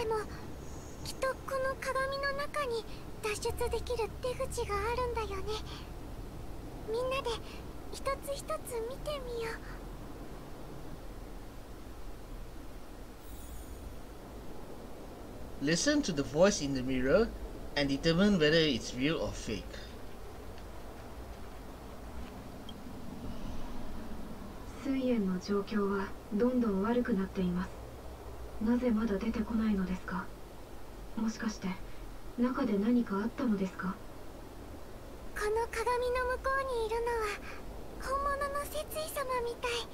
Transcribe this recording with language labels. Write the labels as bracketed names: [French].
[Japanese] でも、きっとこの鏡の中に脱出できる出口があるんだよね。みんなで一つ一つ見てみよう。 [English] Listen to the voice in the mirror and determine whether it's real or fake. [Japanese] スイエンの状況はどんどん悪くなっています。なぜまだ出てこないのですか？もしかして中で何かあったのですか？この鏡の向こうにいるのは本物の節衣様みたい。